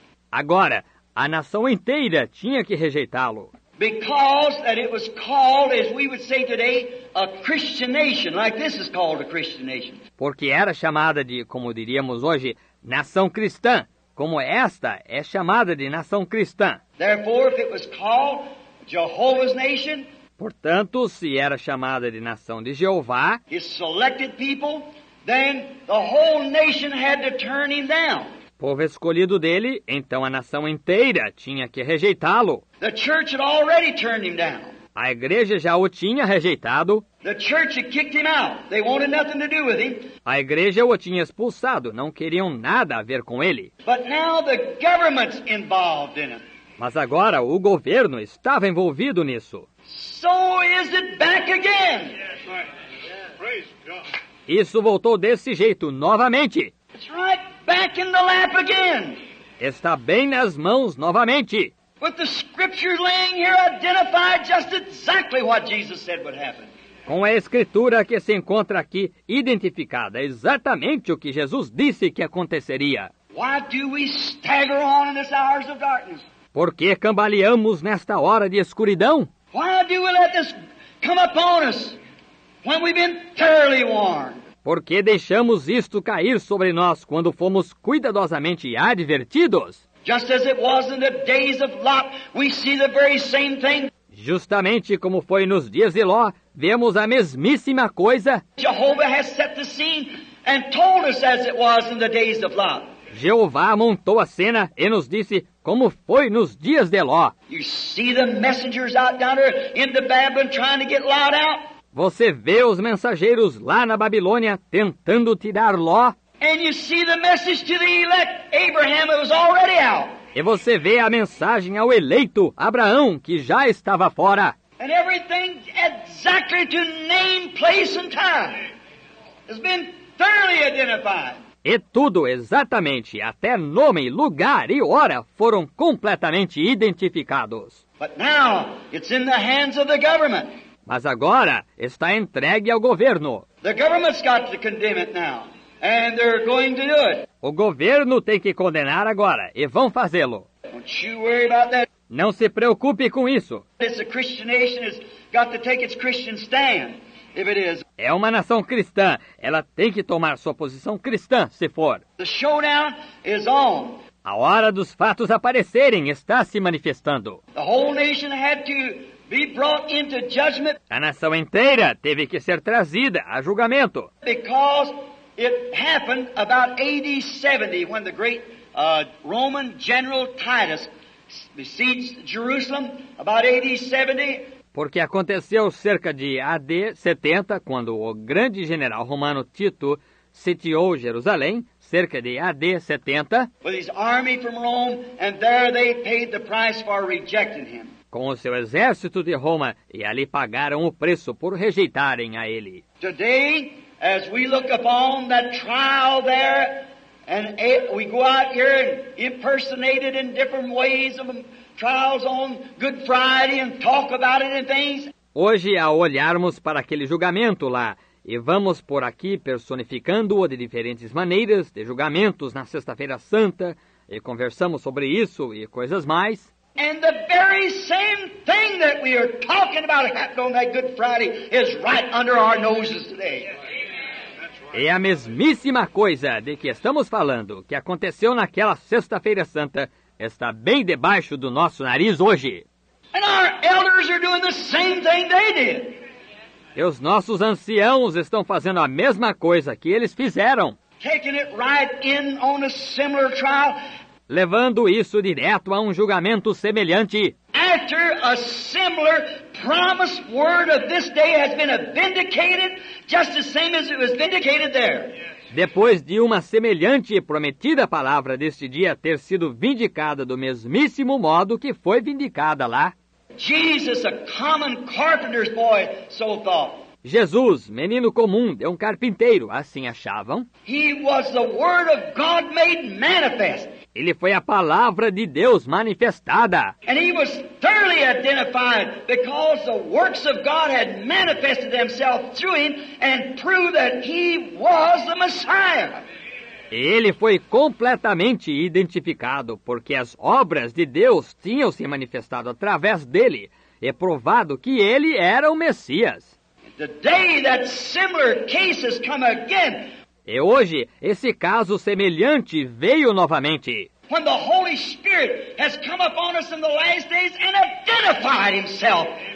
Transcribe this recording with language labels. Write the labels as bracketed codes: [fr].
[pt] Agora, a nação inteira tinha que rejeitá-lo. [en] Because that it was called, as we would say today, a Christian nation, like this is called a Christian nation. [pt] Porque era chamada de, como diríamos hoje, nação cristã, como esta é chamada de nação cristã. [en] Therefore, if it was called Jehovah's nation, [pt] portanto, se era chamada de nação de Jeová, [en] his selected people, then the whole nation had to turn him down. [pt] Povo escolhido dele, então a nação inteira tinha que rejeitá-lo. [en] The church had already turned him down. [pt] A igreja já o tinha rejeitado. [en] The church had kicked him out. They wanted nothing to do with him. [pt] A igreja o tinha expulsado, não queriam nada a ver com ele. [en] But now the government's involved in it. [pt] Mas agora o governo estava envolvido nisso. [en] So is it back again. Yes, praise God. [pt] Isso voltou desse jeito novamente. [en] It's right back in the lap again. [pt] Está bem nas mãos novamente. [en] With the scripture laying here identified just exactly what Jesus said would happen. [pt] Com a escritura que se encontra aqui identificada exatamente o que Jesus disse que aconteceria. [en] Why do we stagger on in this hours of darkness? [pt] Por que cambaleamos nesta hora de escuridão? [en] Why do we let this come upon us when we've been thoroughly warned? [pt] Por que deixamos isto cair sobre nós quando fomos cuidadosamente advertidos? [en] Just as it was in the days of Lot, we see the very same thing. [pt] Justamente como foi nos dias de Ló, vemos a mesmíssima coisa. [en] Jehovah has set the scene and told us as it was in the days of Lot. [pt] Jeová montou a cena e nos disse como foi nos dias de Ló. [en] You see the messengers out down there in the Babylon trying to get Lot out? [pt] Você vê os mensageiros lá na Babilônia tentando tirar Ló. [en] And you see the message to the elect Abraham, it was already out. [pt] E você vê a mensagem ao eleito Abraão, que já estava fora. [en] And everything exactly to name, place and time has been thoroughly identified. [pt] E tudo exatamente, até nome, lugar e hora, foram completamente identificados. [en] But now it's in the hands of the government. [pt] Mas agora está entregue ao governo. [en] The government's got to condemn it now, and they're going to do it. [pt] O governo tem que condenar agora e vão fazê-lo. [en] Don't you worry about that. [pt] Não se preocupe com isso. [en] It's a Christian nation, it's got to take its Christian stand, if it is. [pt] É uma nação cristã. Ela tem que tomar sua posição cristã, se for. [en] The showdown is on. [pt] A hora dos fatos aparecerem está se manifestando. [en] The whole nation had to be brought into judgment. [pt] A nação inteira teve que ser trazida a julgamento. [en] Because it happened about AD 70 when the great Roman general Titus besieged Jerusalem about AD 70. [pt] Porque aconteceu cerca de AD 70, quando o grande general romano Tito sitiou Jerusalém, cerca de AD 70, [en] with his army from Rome, and there they paid the price for rejecting him. [pt] Com o seu exército de Roma, e ali pagaram o preço por rejeitarem a ele. [en] Today, as we look upon that trial there, and we go out here and impersonate it in different ways of trials on Good Friday and talk about it and things. [pt] Hoje, ao olharmos para aquele julgamento lá, e vamos por aqui personificando-o de diferentes maneiras, de julgamentos na Sexta-feira Santa, e conversamos sobre isso e coisas mais. [en] And the very same thing that we are talking about happened on that Good Friday is right under our noses today. [pt] É a mesmíssima coisa de que estamos falando, que aconteceu naquela Sexta-feira Santa, está bem debaixo do nosso nariz hoje. [en] And our elders are doing the same thing they did. [pt] E os nossos anciãos estão fazendo a mesma coisa que eles fizeram. [en] Taking it right in on a similar trial. [pt] Levando isso direto a um julgamento semelhante. [en] After a similar promised word of this day has been vindicated, just the same as it was vindicated there. [pt] Depois de uma semelhante e prometida palavra deste dia ter sido vindicada do mesmíssimo modo que foi vindicada lá. [en] Jesus, a common carpenter's boy, so thought. [pt] Jesus, menino comum de um carpinteiro, assim achavam. [en] He was the word of God made manifest. [pt] Ele foi a palavra de Deus manifestada. [en] And he was thoroughly identified because the works of God had manifested themselves through him and proved that he was the Messiah. [pt] Ele foi completamente identificado porque as obras de Deus tinham se manifestado através dele e provado que ele era o Messias. [en] The day that similar cases come again. [pt] E hoje, esse caso semelhante veio novamente. [en] When the Holy Spirit has come upon us in the last days and identified himself.